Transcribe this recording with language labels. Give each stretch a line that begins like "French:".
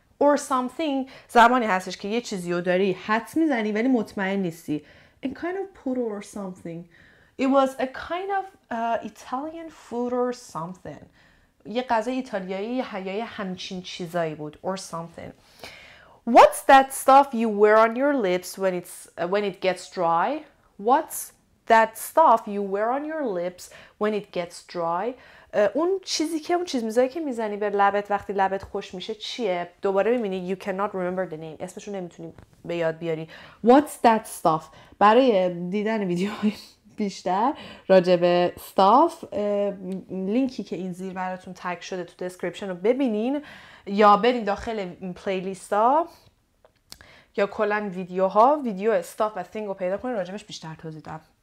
Persian: Or something زمانی هستش که یه چیزی رو داری حد میزنی ولی مطمئن نیستی.
English: A kind of poodle or something. It was a kind of Italian food or something.
Persian: یه غذای ایتالیایی یا همچین چیزایی بود.
English: Or something. What's that stuff you wear on your lips when it gets dry? What's that stuff you wear on your lips when it gets dry?
Persian: اون چیزی که میزنی به لبت وقتی لبت خوش میشه چیه؟ دوباره میبینی
English: you cannot remember the name.
Persian: اسمش رو نمیتونی به یاد بیاری.
English: What's that stuff?
Persian: برای دیدن ویدیوهای بیشتر راجع به stuff لینکی که این زیر براتون تگ شده تو دسکریپشن رو ببینین یا برین داخل پلیلیستا یا کلن ویدیوها ویدیو stuff و thing رو پیدا کنین راجبش بیشتر توضیح دم.